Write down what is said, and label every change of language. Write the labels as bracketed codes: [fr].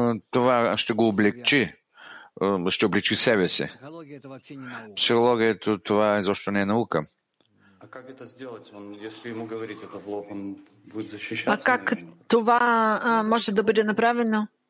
[bg] Това ще го облегчи, ще облегчи себе си. Психологията, това изобщо не е наука. [ru] А как это сделать? Если ему говорить это в лоб, он будет защищаться? [bg] А как това може да бъде направено?